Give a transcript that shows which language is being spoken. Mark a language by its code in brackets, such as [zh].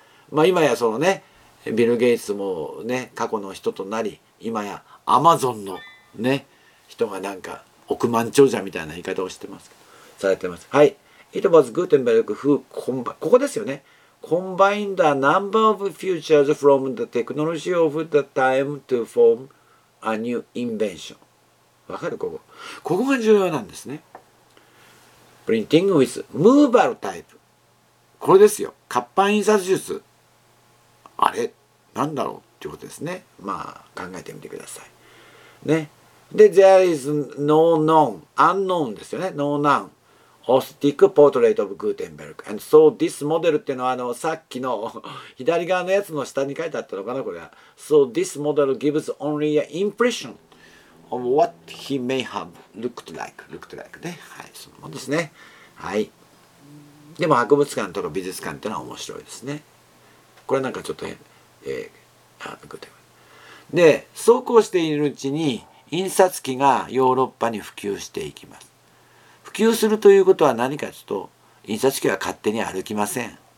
[ja] まあ今やそのね、ビル・ゲイツもね過去の人となり、今や Amazon のね人がなんか億万長者みたいな言い方をしてますけど、されてます。はい、 [en] It was Gutenberg who combined、 [ja] ここですよね、 [en] combined a number of futures from the technology of the time to form a new invention。 [ja] わかる、ここ、ここが重要なんですね。 [en] Printing with movable type、 [ja] これですよ、活版印刷術、あれなんだろうっていうことですね。まあ考えてみてくださいね。 [en] で、There is no known, unknown [ja] ですよね。 [en] No known, authentic portrait of Gutenberg. And so this model [ja] っていうのは、あの、さっきの左側のやつの下に書いてあったのかな、これは。 [en] So this model gives only an impression of what he may have looked like. Looked like [ja] ね。はい、そのものですね。はい。でも、博物館とか美術館っていうのは面白いですね。これなんかちょっと変、Gutenberg。で、そうこうしているうちに、印刷機がヨーロッパに普及していきます。普及するということは何かというと、印刷機は勝手に歩きません。